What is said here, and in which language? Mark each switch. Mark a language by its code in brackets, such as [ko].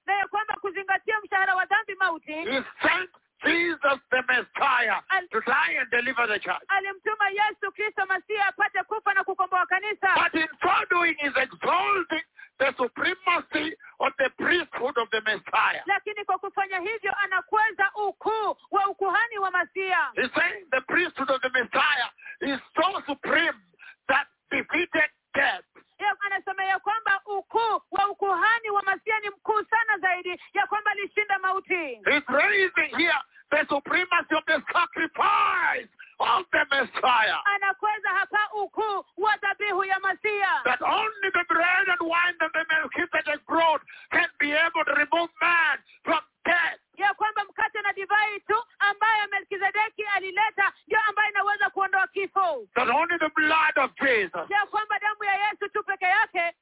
[sw] Na ya kwamba kuzingatia mshahara wa dhambi mauti. [en] He sent Jesus the Messiah to die and deliver the church. [sw] Alimtuma Yesu Kristo Masihi apate kufa na kukomboa kanisa. [en] But in so doing is exalting the supremacy of the priesthood of the Messiah. [sw] Lakini kwa kufanya hivyo anakweza ukuu wa ukuhani wa Masihi. [en] He's saying the priesthood of the Messiah is so supreme that defeated death. [sw] Ya anasema ya kwamba ukuu wa ukuhani wa Masihi ni mkuu sana zaidi ya kwamba alishinda mauti. [en] He's raising here the supremacy of the sacrifice of the Messiah. [sw] Anakweza hapa ukuu wa dhabihu ya Masihi. [en] That only the bread and wine that the Melchizedek brought can be able to remove man from death. [sw] Ya kwamba mkate na divai tu ambayo Melchizedeki alileta ndio ambayo inaweza kuondoa kifo. [en] That only the blood of Jesus. [sw] Ya kwamba damu ya Yesu tu peke yake.